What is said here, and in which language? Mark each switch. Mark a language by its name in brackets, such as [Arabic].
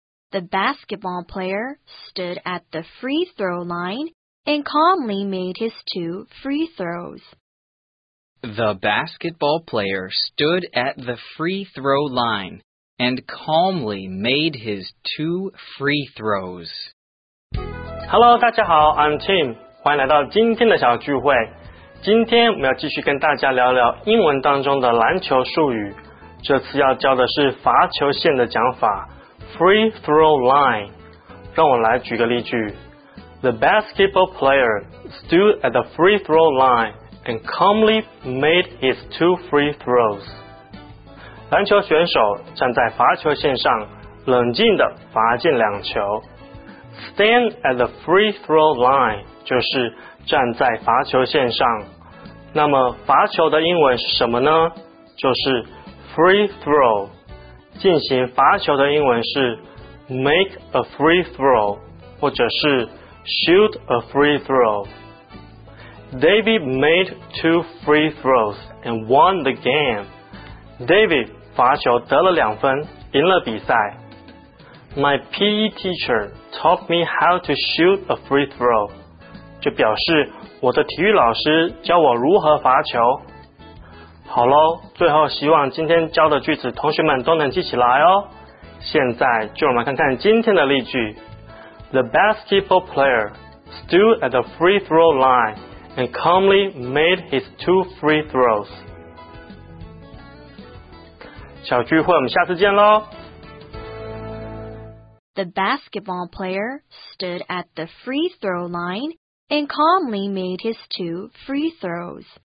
[English] The basketball player stood at the free throw line and calmly made his 2 free throws. The basketball player stood at the free throw line and calmly made his 2 free throws. Hello, [Chinese] 大家好 [English] I'm Tim. [Chinese] 欢迎来到今天的小聚会。今天我们要继续跟大家聊聊英文当中的篮球术语，这次要教的是罚球线的讲法 free throw line。让我来举个例句， [English] The basketball player stood at the free throw line and calmly made his 2 free throws。 [Chinese] 篮球选手站在罚球线上冷静地罚进两球。 [English] Stand at the free throw line [Chinese] 就是站在罚球线上。那么罚球的英文是什么呢？就是 free throw。 进行罚球的英文是 [English] make a free throw [Chinese] 或者是 [English] shoot a free throw。 David made two free throws and won the game。 [Chinese] David 罚球得了两分，赢了比赛。 [English] My PE teacher taught me how to shoot a free throw， [Chinese] 就表示我的体育老师教我如何罚球。好咯，最后希望今天教的句子同学们都能记起来哦。现在就让我们看看今天的例句。 [English] The basketball player stood at the free throw line and calmly made his two free throws。 [Chinese] 小聚会我们下次见咯。 [English] The basketball player stood at the free throw line and calmly made his two free throws.